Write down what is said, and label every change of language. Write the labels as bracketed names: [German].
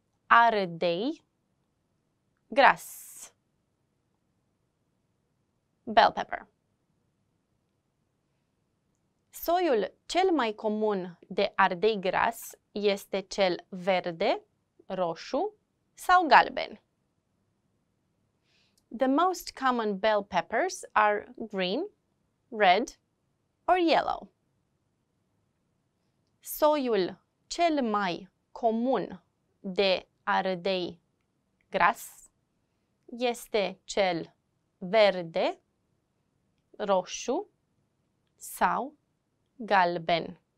[Romanian] Ardei gras. [English] Bell pepper. [Romanian] Soiul cel mai comun de ardei gras este cel verde, roșu sau galben. [English] The most common bell peppers are green, red, or yellow. [Romanian] Soiul cel mai comun de ardei gras este cel verde, roșu sau galben.